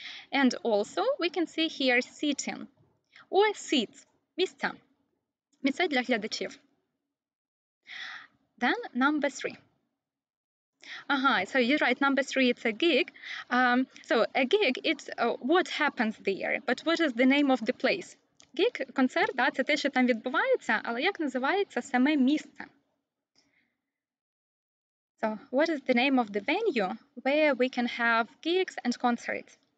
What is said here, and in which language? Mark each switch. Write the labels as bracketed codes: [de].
[en] And also we can see here seating or seats, [uk] місця, місця для глядачів. [en] Then number three. So you're right, number three, it's a gig. So a gig, it's what happens there, but what is the name of the place? [uk] Gig, концерт, да, це те, що там відбувається, але як називається саме місце? [en] So what is the name of the venue where we can have gigs and concerts?